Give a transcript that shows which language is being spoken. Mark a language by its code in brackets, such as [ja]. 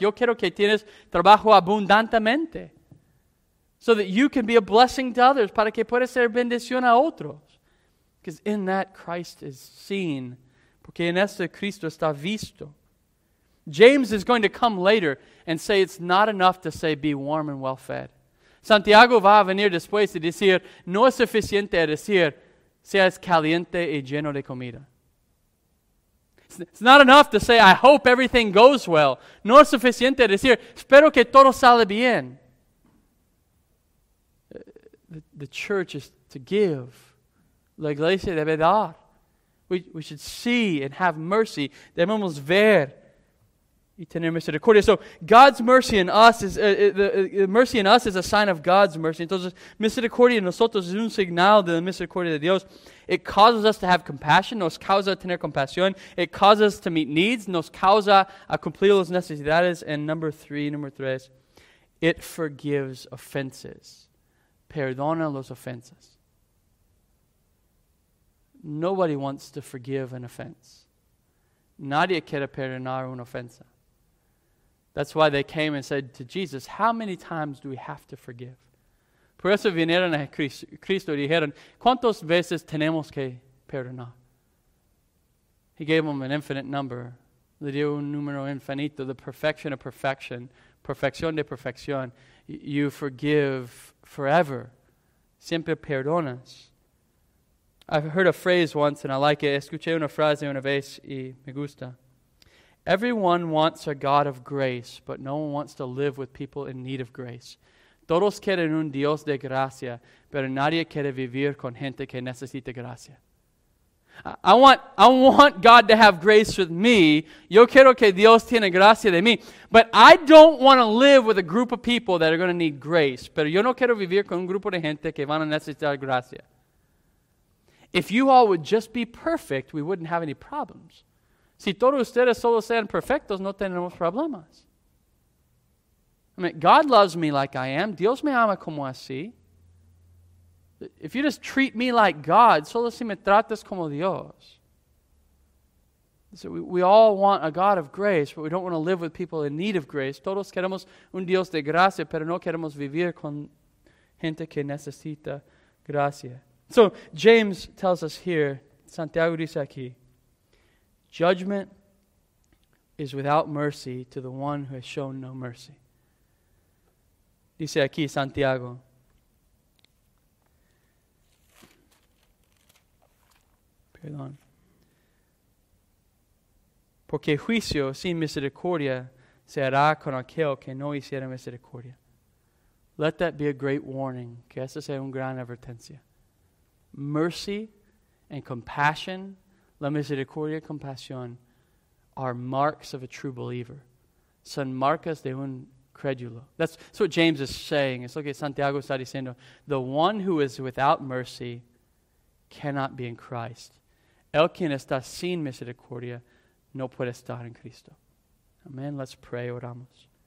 [es] Yo quiero que tienes trabajo abundantemente, [en] so that you can be a blessing to others, [es] para que puedas ser bendición a otros. [en] Because in that, Christ is seen. [es] Porque en este, Cristo está visto. [en] James is going to come later and say it's not enough to say be warm and well fed. [es] Santiago va a venir después y decir, no es suficiente decir, seas caliente y lleno de comida. [en] It's not enough to say, I hope everything goes well. [es] No es suficiente decir, espero que todo sale bien. [en] The church is to give. [es] La iglesia debe dar. [en] We should see and have mercy. [es] Debemos ver y tener misericordia. [en] So God's mercy in us is the mercy in us is a sign of God's mercy. [es] Entonces, misericordia en nosotros es un señal de la misericordia de Dios. [en] It causes us to have compassion. [es] Nos causa tener compasión. [en] It causes us to meet needs. [es] Nos causa a cumplir las necesidades. [en] And number three, it forgives offenses. [es] Perdona los ofensas. [en] Nobody wants to forgive an offense. [es] Nadie quiere perdonar una ofensa. [en] That's why they came and said to Jesus, how many times do we have to forgive? [es] Por eso vinieron a Cristo y dijeron, ¿cuántas veces tenemos que perdonar? [en] He gave them an infinite number. [es] Le dio un número infinito, [en] the perfection of perfection, [es] perfección de perfección. [en] You forgive forever. [es] Siempre perdonas. [en] I've heard a phrase once and I like it. [es] Escuché una frase una vez y me gusta. [en] Everyone wants a God of grace, but no one wants to live with people in need of grace. [es] Todos quieren un Dios de gracia, pero nadie quiere vivir con gente que necesita gracia. [en] I want God to have grace with me. [es] Yo quiero que Dios tiene gracia de mí. [en] But I don't want to live with a group of people that are going to need grace. [es] Pero yo no quiero vivir con un grupo de gente que van a necesitar gracia. [en] If you all would just be perfect, we wouldn't have any problems. [es] Si todos ustedes solo sean perfectos, no tenemos problemas. [en] I mean, God loves me like I am. [es] Dios me ama como así. [en] If you just treat me like God, [es] solo si me tratas como Dios. [en] So we all want a God of grace, but we don't want to live with people in need of grace. [es] Todos queremos un Dios de gracia, pero no queremos vivir con gente que necesita gracia. [en] So James tells us here, [es] Santiago dice aquí, [en] judgment is without mercy to the one who has shown no mercy. [es] Dice aquí Santiago. Perdón. Porque juicio sin misericordia se hará con aquel que no hiciera misericordia. [en] Let that be a great warning. [es] Que eso sea una gran advertencia. [en] Mercy and compassion, [es] la misericordia y compasión, [en] are marks of a true believer. [es] Son marcas de un credulo. [en] That's what James is saying. It's like [es] Santiago está diciendo. [en] The one who is without mercy cannot be in Christ. [es] El quien está sin misericordia no puede estar en Cristo. Amen. [en] Let's pray. [es] Oramos.